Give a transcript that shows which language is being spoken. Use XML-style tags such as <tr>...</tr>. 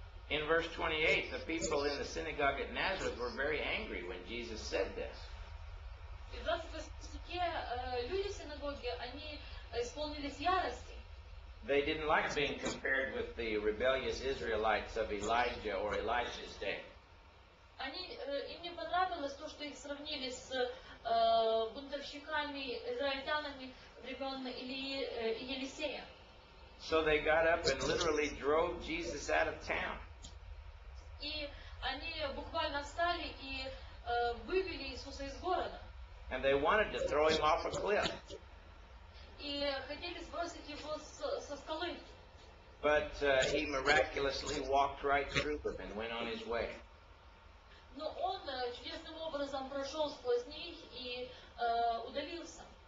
<en>In verse 28, the people in the synagogue at Nazareth were very angry when Jesus said this.</en> <ru>В 28 стихе люди в синагоге, они исполнились ярости.</ru> <en>They didn't like being compared with the rebellious Israelites of Elijah or Elisha's day.</en> <ru>Им не понравилось то, что их сравнили с бунтовщиками, израильтянами, времен Елисея.</ru> <en>So they got up and literally drove Jesus out of town.</en> <ru>И они буквально встали и вывели Иисуса из города.</ru> <en>And they wanted to throw him off a cliff.</en> <ru>И хотели сбросить его со скалы.</ru> <en>But he miraculously walked right through them and went on his way.</en> <ru>Но он чудесным образом прошел сквозь них и удалился.</ru>